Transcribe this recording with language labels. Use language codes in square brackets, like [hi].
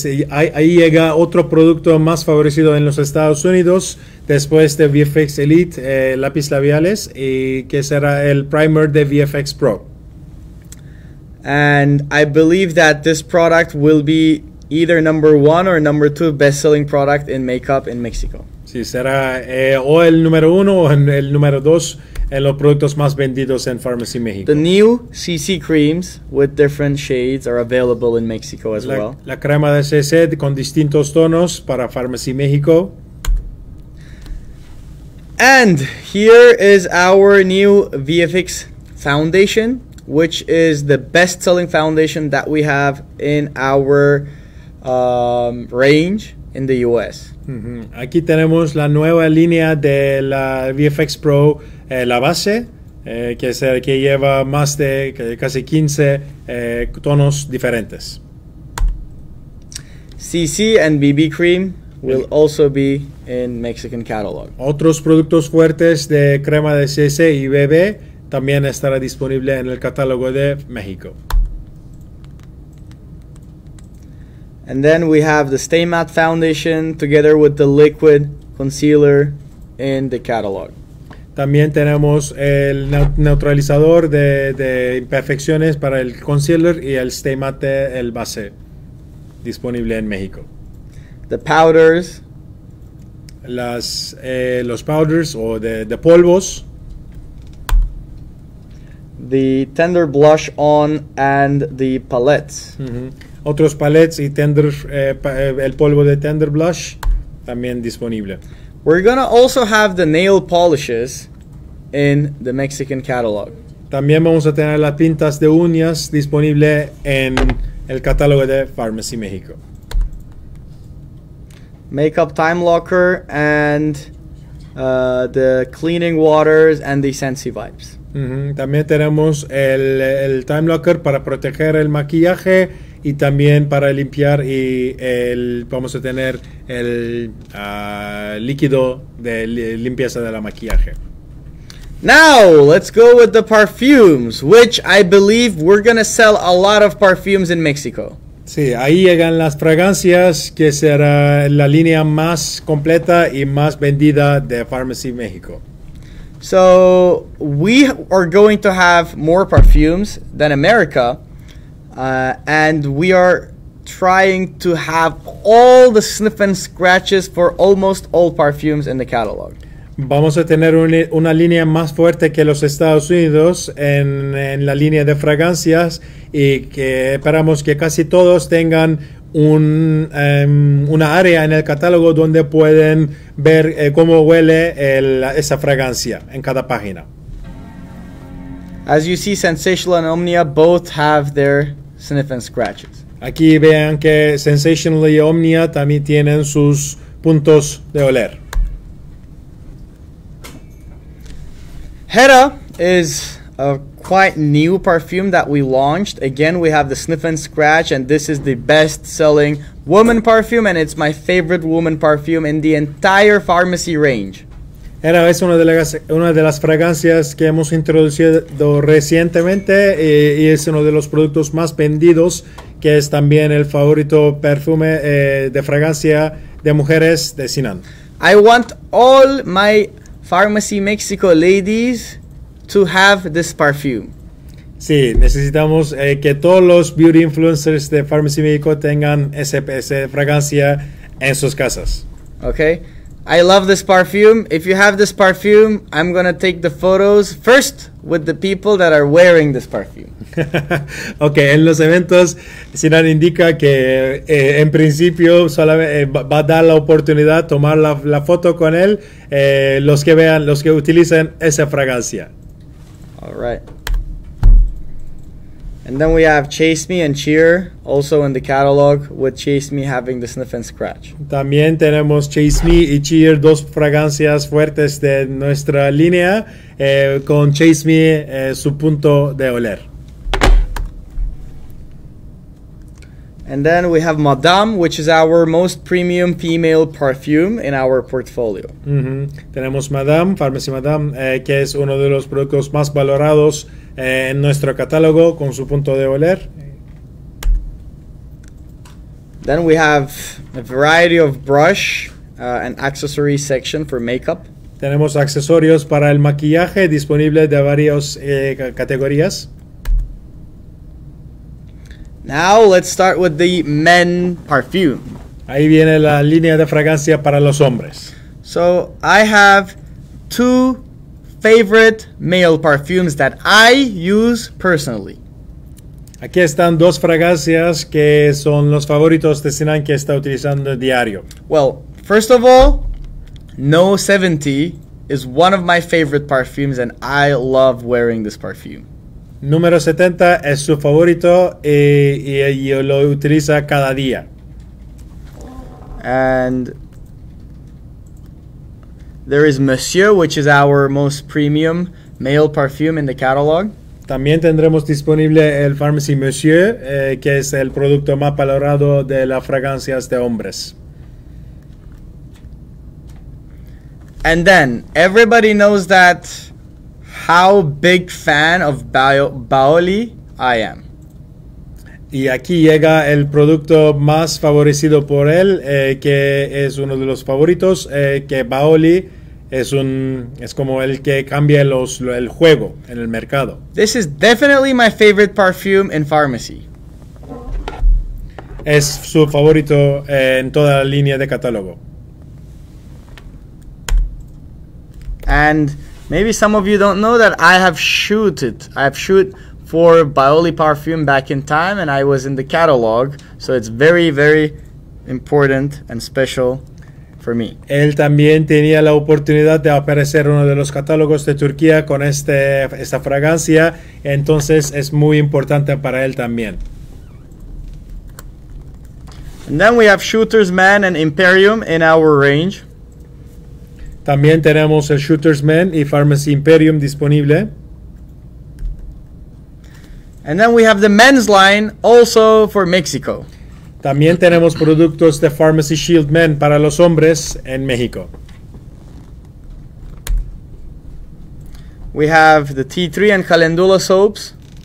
[es] Ahí llega otro producto más favorecido en los Estados Unidos después de VFX Elite lápiz labiales y que será el primer de VFX Pro. [en] And I believe that this product will be either number one or number two best-selling product in makeup in Mexico. [es] Sí, será o el número uno o el número dos en los productos más vendidos en Farmasi México. [en] The new CC creams with different shades are available in Mexico as well. [es] La crema de CC con distintos tonos para Farmasi México. [en] And here is our new VFX foundation, which is the best-selling foundation that we have in our range in the US. Mm-hmm. [es] Aquí tenemos la nueva línea de la VFX Pro, la base, que es el que lleva más de casi 15 tonos diferentes. [en] CC and BB cream will also be in Mexican catalog. [es] Otros productos fuertes de crema de CC y BB también estará disponible en el catálogo de México. [en] And then we have the Stay Matte Foundation together with the Liquid Concealer in the catalog. [es] También tenemos el neutralizador de imperfecciones para el concealer y el Stay Matte, el base, disponible en México. [en] The powders. [es] Los powders o de polvos. [en] The Tender Blush On and the palettes. Mm-hmm. [es] Otros palettes y tender, el polvo de Tender Blush también disponible. [en] We're going to also have the nail polishes in the Mexican catalog. [es] También vamos a tener las pintas de uñas disponible en el catálogo de Farmasi México. [en] Makeup Time Locker and the cleaning waters and the Sensi Vibes. Mm-hmm. [es] También tenemos el Time Locker para proteger el maquillaje y también para limpiar y vamos a tener el líquido de limpieza de la maquillaje. [en] Now, let's go with the perfumes, which I believe we're going to sell a lot of perfumes in Mexico. [es] Sí, ahí llegan las fragancias, que será la línea más completa y más vendida de Farmasi México. [en] So, we are going to have more perfumes than America, and we are trying to have all the sniff and scratches for almost all perfumes in the catalog. [es] Vamos a tener una línea más fuerte que los Estados Unidos en la línea de fragancias y que esperamos que casi todos tengan una área en el catálogo donde pueden ver cómo huele esa fragancia en cada página. [en] As you see, Sensational and Omnia both have their sniff and scratches. [es] Aquí vean que Sensational y Omnia también tienen sus puntos de oler. [en] Hera is a quite new perfume that we launched. Again, we have the sniff and scratch, and this is the best-selling woman perfume, and it's my favorite woman perfume in the entire Farmasi range. [es] Hera es una de las fragancias que hemos introducido recientemente y es uno de los productos más vendidos, que es también el favorito perfume de fragancia de mujeres de Sinan. [en] I want all my Farmasi Mexico ladies to have this perfume. [es] Sí, necesitamos que todos los beauty influencers de Farmasi Mexico tengan esa fragancia en sus casas. [en] Okay, I love this perfume. If you have this perfume, I'm gonna take the photos first with the people that are wearing this perfume. [es] Okay, en los eventos, Sinan indica que en principio solamente va a dar la oportunidad de tomar la foto con él, los que vean, los que utilicen esa fragancia. [en] All right. And then we have Chase Me and Cheer, also in the catalog, with Chase Me having the sniff and scratch. [es] También tenemos Chase Me y Cheer, dos fragancias fuertes de nuestra línea, con Chase Me su punto de oler. [en] And then we have Madame, which is our most premium female perfume in our portfolio. Mm-hmm. [es] Tenemos Madame, Farmasi Madame, que es uno de los productos más valorados en nuestro catálogo con su punto de oler. [en] Then we have a variety of brush and accessory section for makeup. [es] Tenemos accesorios para el maquillaje disponible de varias categorías. [en] Now let's start with the men perfume. [es] Ahí viene la línea de fragancia para los hombres. [en] So I have two favorite male perfumes that I use personally. [es] Aquí están dos fragancias que son los favoritos de Sinan que está utilizando diario. [en] Well, first of all, No 70 is one of my favorite perfumes and I love wearing this perfume. [es] Número 70 es su favorito y lo utiliza cada día. [en] And there is Monsieur, which is our most premium male perfume in the catalog. [es] También tendremos disponible el Farmasi Monsieur, que es el producto más valorado de las fragancias de hombres. [en] And then, everybody knows that how big fan of Baoli I am. [es] Y aquí llega el producto más favorecido por él, que es uno de los favoritos, que Baoli es como el que cambia el juego en el mercado. [en] This is definitely my favorite perfume in Farmasi. [es] Es su favorito en toda la línea de catálogo. [en] And maybe some of you don't know that I have shoot for Baoli perfume back in time and I was in the catalog, so it's very, very important and special for me. [es] Él también tenía la oportunidad de aparecer en uno de los catálogos de Turquía con esta fragancia, entonces es muy importante para él también. [en] And then we have Shooter's Man and Imperium in our range. [es] También tenemos el Shooter's Man y Farmasi Imperium disponible. [en] And then we have the men's line also for Mexico. [es] También tenemos productos de Farmasi Shield Men para los hombres en México. [en] We have the tea tree and calendula soaps.